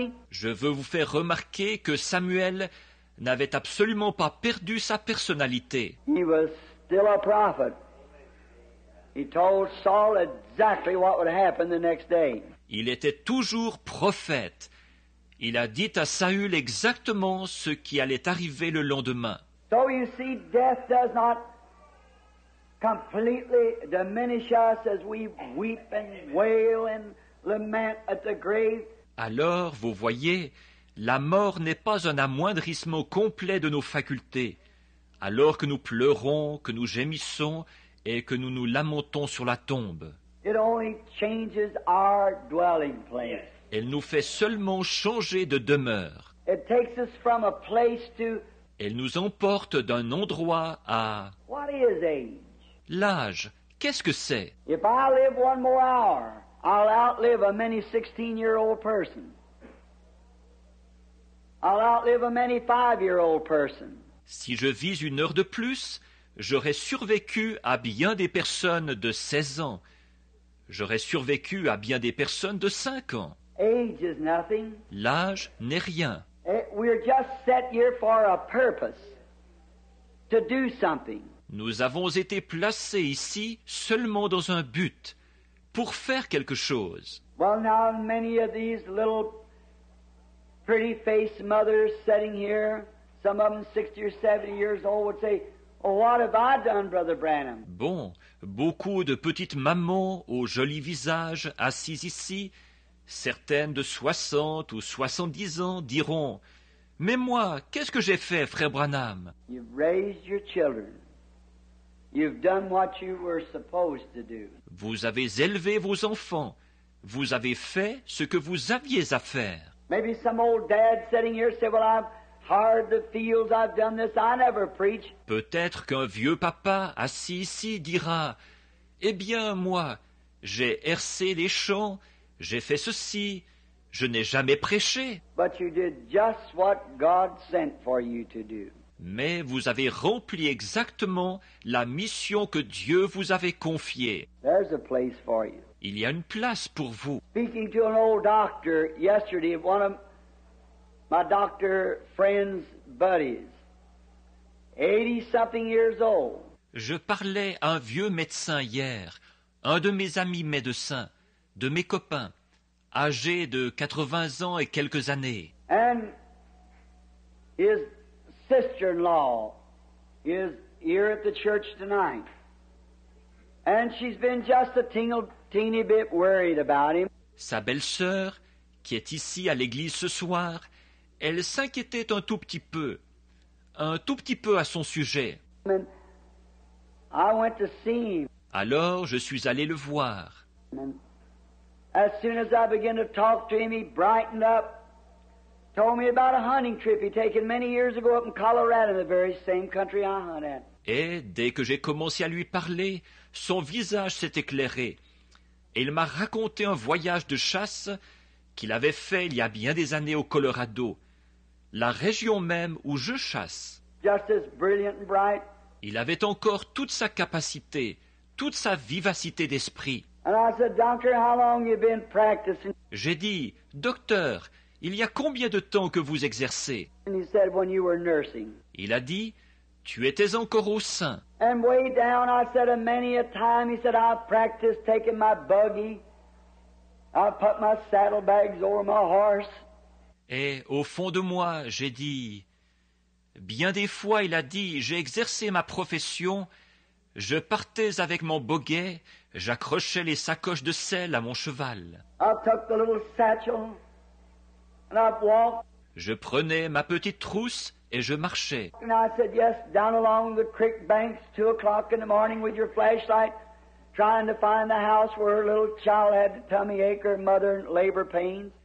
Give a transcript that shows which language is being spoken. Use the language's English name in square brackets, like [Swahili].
[French] Je veux vous faire remarquer que Samuel n'avait absolument pas perdu sa personnalité. [English] He was still a prophet. He told Saul exactly what would happen the next day. [French] Il était toujours prophète. Il a dit à Saül exactement ce qui allait arriver le lendemain. [English] So you see, death does not completely diminish us as we weep and wail and lament at the grave. [French] Alors, vous voyez, la mort n'est pas un amoindrissement complet de nos facultés. Alors que nous pleurons, que nous gémissons et que nous nous lamentons sur la tombe. [English] It only changes our dwelling place. [French] Elle nous fait seulement changer de demeure. [English] It takes us from a place to... [French] Elle nous emporte d'un endroit à... [English] What is age? [French] L'âge, qu'est-ce que c'est? [English] If I live one more hour, I'll outlive a many 16-year-old person. I'll outlive a many 5-year-old person. [French] Si je vis une heure de plus, j'aurais survécu à bien des personnes de 16 ans. J'aurais survécu à bien des personnes de 5 ans. [English] Age is nothing. [French] L'âge n'est rien. [English] We're just set here for a purpose, to do something. [French] Nous avons été placés ici seulement dans un but, pour faire quelque chose. [English] Well, now many of these little pretty-faced mothers sitting here, some of them 60 or 70 years old, would say, "What have I done, Brother Branham?" [French] Bon, beaucoup de petites mamans aux jolis visages assises ici, certaines de 60 ou 70 ans, diront, « Mais moi, qu'est-ce que j'ai fait, Frère Branham? » [English] You've raised your children. You've done what you were supposed to do. [French] Vous avez élevé vos enfants. Vous avez fait ce que vous aviez à faire. [English] Maybe some old dad sitting here said, "Well, I've hard the fields, I've done this, I never preach." [French] Peut-être qu'un vieux papa assis ici dira, « Eh bien, moi, j'ai hercé les champs, j'ai fait ceci, je n'ai jamais prêché. » [English] But you did just what God sent for you to do. [French] Mais vous avez rempli exactement la mission que Dieu vous avait confiée. [English] There's a place for you. [French] Il y a une place pour vous. [English] Speaking to an old doctor yesterday, one of my doctor friend's buddies, 80-something years old. [French] Je parlais à un vieux médecin hier, un de mes amis médecins, de mes copains, âgé de 80 ans et quelques années. [English] And his sister-in-law is here at the church tonight. And she's been just a teeny bit worried about him. [French] Sa belle-sœur, qui est ici à l'église ce soir, elle s'inquiétait un tout petit peu à son sujet. [English] And I went to see him. [French] Alors, je suis allé le voir. [English] And as soon as I began to talk to him, he brightened up, told me about a hunting trip he'd taken many years ago up in Colorado, the very same country I hunt at. [French] Et dès que j'ai commencé à lui parler, son visage s'est éclairé. Et il m'a raconté un voyage de chasse qu'il avait fait il y a bien des années au Colorado, la région même où je chasse. [English] Just as brilliant and bright. [French] Il avait encore toute sa capacité, toute sa vivacité d'esprit. [English] And I said, Doctor, how long you been practicing? [French] J'ai dit, docteur, il y a combien de temps que vous exercez? [English] And he said, when you were nursing. [French] Il a dit, tu étais encore au sein. [English] And way down, I said, many a time, he said, I've practiced taking my buggy. I've put my saddlebags over my horse. [French] Et au fond de moi, j'ai dit, bien des fois, il a dit, j'ai exercé ma profession, je partais avec mon boguet, j'accrochais les sacoches de sel à mon cheval. [English] I took the little satchel, and I walked. [French] Je prenais ma petite trousse et je marchais. [English] And I said, yes, down along the creek banks, 2 o'clock in the morning with your flashlight, trying to find the house where a little child had the tummy ache or mother labor pains.